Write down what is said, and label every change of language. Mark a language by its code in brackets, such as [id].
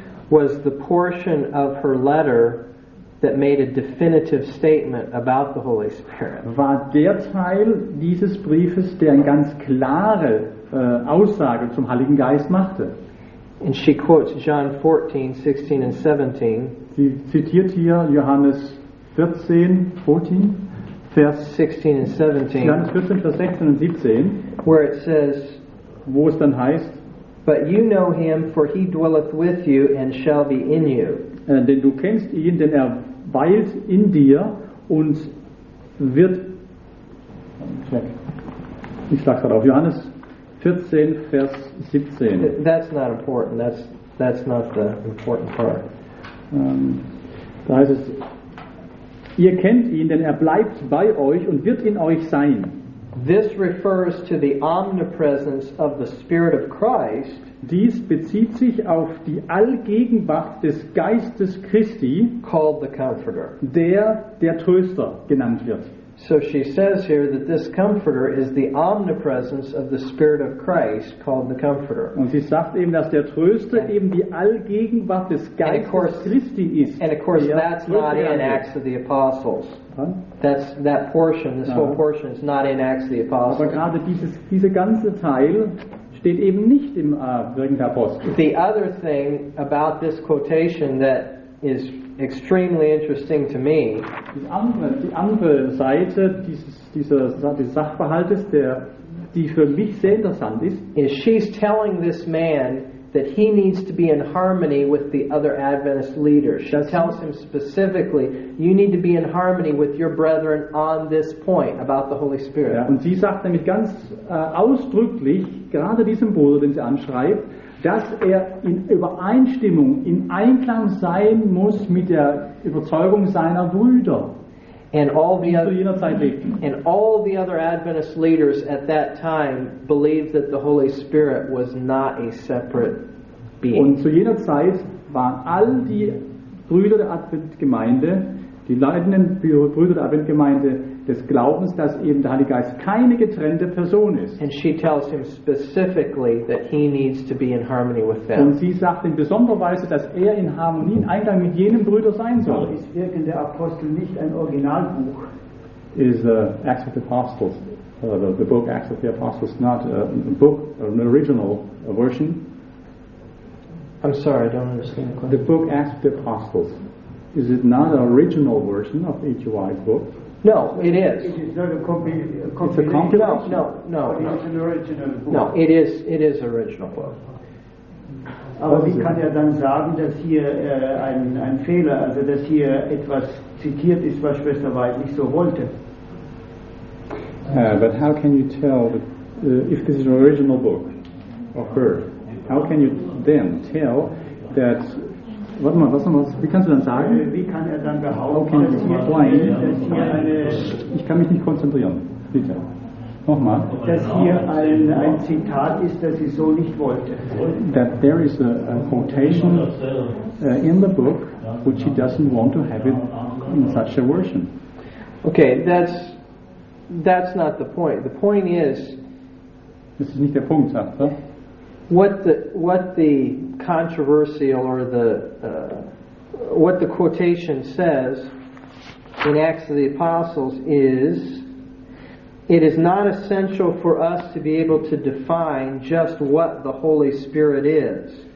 [en] was the portion of her letter that made a definitive statement about the Holy Spirit. [de] War der Teil dieses Briefes, der eine ganz klare Aussage zum Heiligen Geist machte. [en] And she quotes John 14, 16 and 17. [de] Sie zitiert hier Johannes 14, Vers [en] 16 and 17. [de] Johannes 14, Vers 16 und 17. [en] Where it says, [de] wo es dann heißt, [en] but you know him, for he dwelleth with you and shall be in you. [de] Denn du kennst ihn, denn weilt in dir und wird. Ich schlage gerade auf Johannes 14, Vers 17. [en] That's not important. That's not the important part. [de] Da heißt es: Ihr kennt ihn, denn bleibt bei euch und wird in euch sein. [en] This refers to the omnipresence of the Spirit of Christ. [de] Dies bezieht sich auf die Allgegenwart des Geistes Christi, [en] called the Comforter, [de] der Tröster genannt wird. [en] So she says here that this Comforter is the omnipresence of the Spirit of Christ, called the Comforter. [de] Und sie sagt eben, dass der Tröster eben die Allgegenwart des Geistes Christi ist. [en] And of course, that's not in Acts of the Apostles. That's that portion. This whole portion is not in Acts of the Apostles. [de] Aber gerade diese ganze Teil steht eben nicht im Wirken der Apostel. [en] The other thing about this quotation that is extremely interesting to me. [de] Die andere Seite dieses Sachverhaltes, die für mich sehr interessant ist, [en] is she's telling this man that he needs to be in harmony with the other Adventist leaders. She tells him specifically, you need to be in harmony with your brethren on this point about the Holy Spirit. [de] Ja, und sie sagt nämlich ganz ausdrücklich, gerade diesem Bruder, den sie anschreibt, dass in Übereinstimmung, in Einklang sein muss mit der Überzeugung seiner Brüder. [en] And all the other Adventist leaders at that time believed that the Holy Spirit was not a separate being. [de] Und zu jener Zeit waren all die Brüder der Adventgemeinde, die leidenden Brüder der Adventgemeinde des Glaubens, dass eben der Heilige Geist keine getrennte Person ist. [en] And she tells him specifically that he needs to be in harmony with them. [de] Und sie sagt in besonderer Weise, dass er in Harmonie, in Einklang mit jenem Brüder sein soll. Ist irgendein Apostel nicht ein Originalbuch? [en] Is Acts of the Apostles, the book Acts of the Apostles, not a book, an original version? I'm sorry, I don't understand the question. The book Acts of the Apostles, is it not an original version of H.U.I.'s book? No, it is. It is not a copy. It's a compilation. No. It's an original book. No, it is original book. [de] Aber wie kann er dann sagen, dass hier ein Fehler, also dass hier etwas zitiert ist, was Schwester Weiß nicht so wollte? [en] But how can you tell if this is an original book of her? [de] How can you then tell that? Warte mal, was nochmal? Wie kannst du dann sagen? Wie kann er dann behaupten, dass hier, ich kann mich nicht konzentrieren. Bitte. Nochmal. Dass hier ein Zitat ist, das sie so nicht wollte. [en] That there is a quotation in the book which he doesn't want to have it in such a version. Okay, that's not the point. The point is. [de] Das ist nicht der Punkt, sagt er. [en] What the controversial or the what the quotation says in Acts of the Apostles is, it is not essential for us to be able to define just what the Holy Spirit is.